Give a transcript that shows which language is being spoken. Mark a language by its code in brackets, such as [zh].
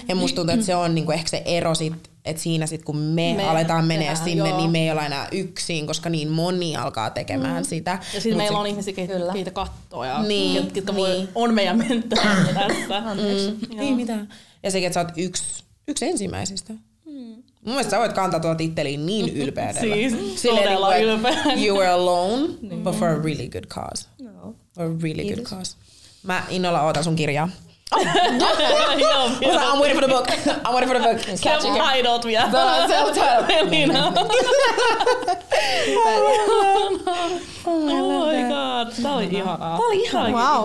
[fi] Ja musta tuntuu, että se on niinku ehkä se ero sitten. Että siinä sitten, kun me aletaan menee sinne, niin me ei ole enää yksin, koska niin moni alkaa tekemään sitä. Ja sitten meillä on ihmisiä, keitä kattoo ja ketkä on meidän mentoja tässä. Ei mitään. Ja sekin, että sä oot yksi ensimmäisistä. Mun mielestä sä voit kantaa tuota titteliin niin ylpeänä. Siis todella niin ylpeänä. [en] You were alone, but for a really good cause. For a really good cause. [fi] Mä innolla ootan sun kirjaa. [en] Oh. I'm waiting for the book. I'm waiting for the book. Catch it. Hi, don't we? The self-titled. Melina. Oh my god. [fi] Tää oli ihanaa. Tää oli ihanaa.